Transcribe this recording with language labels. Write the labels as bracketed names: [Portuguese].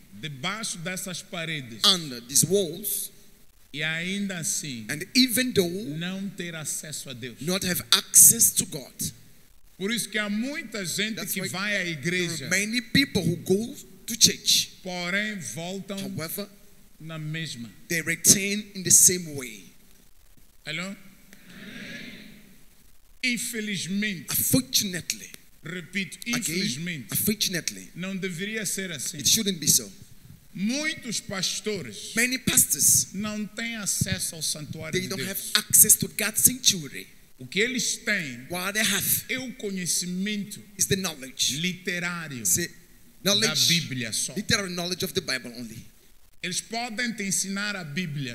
[Portuguese] debaixo dessas paredes. [English] Under these walls. [Portuguese] E ainda assim, [English] and even though, [Portuguese] não ter acesso a Deus. [English] Not have access to God. [Portuguese] Por isso que há muita gente [English] that's [Portuguese] que vai à igreja. [English] There are many people who go to church. [Portuguese] Porém, voltam. [English] However, [Portuguese] na mesma. [English] They retain in the same way. Hello? [Portuguese] Infelizmente. [English] Unfortunately. Repeat, [Portuguese] infelizmente. [English] Again, unfortunately. [Portuguese] Não deveria ser assim. [English] It shouldn't be so. [Portuguese] Muitos pastores, [English] many pastors, [Portuguese] não têm acesso ao santuário de Deus. [English] They don't have access to God's sanctuary. [Portuguese] O que eles têm, [English] what they have, [Portuguese] é o conhecimento, [English] is the knowledge, [Portuguese] literário, [English] knowledge, [Portuguese] da Bíblia só. [English] Literal knowledge of the Bible only. [Portuguese] Eles podem te ensinar a Bíblia.